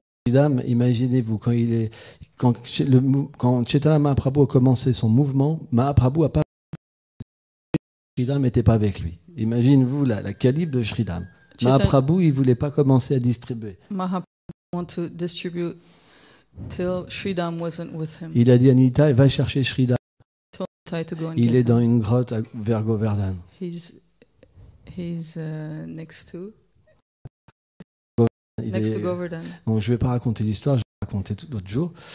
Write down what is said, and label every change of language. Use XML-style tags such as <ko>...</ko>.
<fr>Dame, imaginez-vous, quand Chaitanya Mahaprabhu a commencé son mouvement, Mahaprabhu a pas. Shridam n'était pas avec lui. Imaginez-vous la calibre de Shridam. Mahaprabhu, il ne voulait pas commencer à distribuer.</fr> <en>Mahaprabhu want to distribute till Shridam wasn't with him.</en> <fr>Il a dit à Nita, va chercher Shridam. Il est dans une grotte vers Govardhan.</fr> <en>He's next to.</en> <fr>Donc je ne vais pas raconter l'histoire, je vais raconter l'autre jour.</fr>